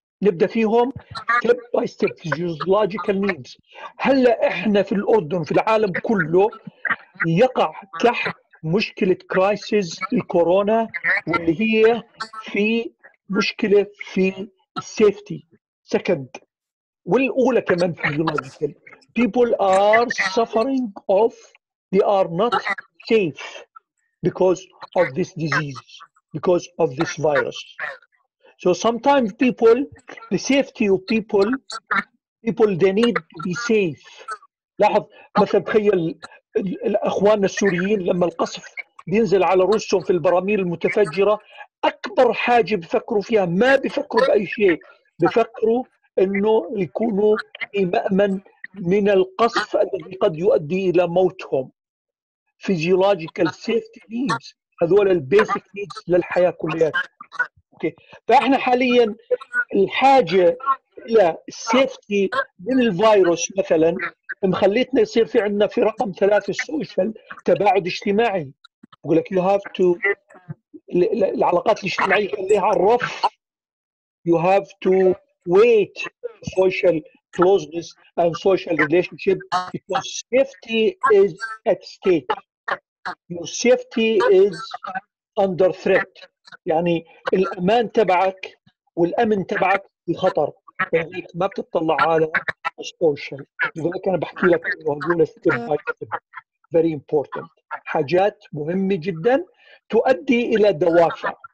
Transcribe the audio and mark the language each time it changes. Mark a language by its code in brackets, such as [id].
[ar] نبدأ فيهم [en] step by step. Physiological needs. [ar] هلا إحنا في الأردن في العالم كله يقع تحت مشكلة crisis الكورونا واللي هي في مشكلة في safety. Second. والأولى كمان physiological. [en] People are suffering of, they are not safe because of this disease. because of this virus. So sometimes people, the safety of people, people they need to be safe. [ar] لاحظ مثلا تخيل الأخوان السوريين لما القصف بينزل على رؤوسهم في البراميل المتفجرة أكبر حاجة بفكروا فيها ما بفكروا بأي شيء بفكروا إنه يكونوا في مأمن من القصف الذي قد يؤدي إلى موتهم. [en] Physiological safety needs, [ar] هذول البيسك needs للحياة كلها. [en] Okay. [ar] فإحنا حاليا الحاجة إلى safety من الفيروس مثلا مخليتنا يصير في عندنا في رقم ثلاثة social تباعد اجتماعي. يقول لك [en] you have to [ar] العلاقات الاجتماعية لها الرف. [en] You have to wait social closeness and social relationship because safety is at stake. Your safety is under threat. [ar] يعني الأمان تبعك والأمن تبعك في خطر. يعني ما بتطلع على social. لذلك أنا بحكي لك وأقول [en] step by step. Very important. [ar] حاجات مهمة جدا تؤدي إلى دوافع.